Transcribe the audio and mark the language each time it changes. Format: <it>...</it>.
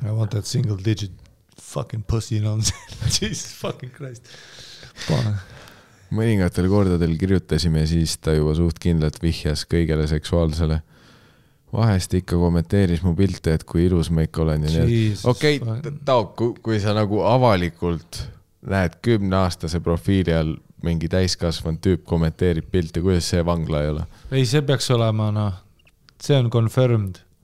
<en>I want that single digit fucking pussy nonsense. Jesus fucking Christ.</en> <et>Mõningatel kordadel kirjutasime siis ta juba suht kindlalt vihjas kõigele seksuaalsele. Vahest ikka kommenteeris mu pilte, et kui ilus ma ikka olen. Okei, kui sa nagu avalikult lähed 10-aastase profiilial mingi täiskasvan tüüp kommenteerib pilte, kuidas see vangla ei ole? Ei, see peaks olema, no, see on confirmed.</et>